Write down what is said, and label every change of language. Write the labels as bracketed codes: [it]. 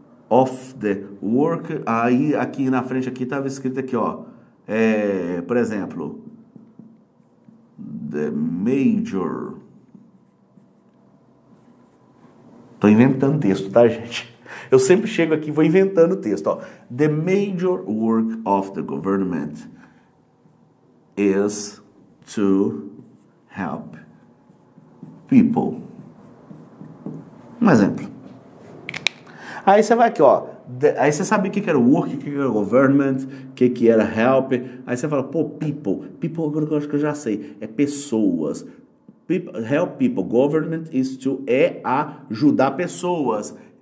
[en] Of the work. [pt] Aí aqui na frente aqui tava escrito aqui, ó. Por exemplo. [en] The major. [pt] Tô inventando texto, tá, gente? Eu sempre chego aqui e vou inventando texto, ó. [en] The major work of the government is to help people. [pt] Um exemplo. Aí você vai aqui, ó. Aí você sabe o que era work, o que era government, o que era help. Aí você fala, pô, people. People, eu acho que eu já sei. É pessoas. [en] People, help people. Government is to [pt] ajudar pessoas.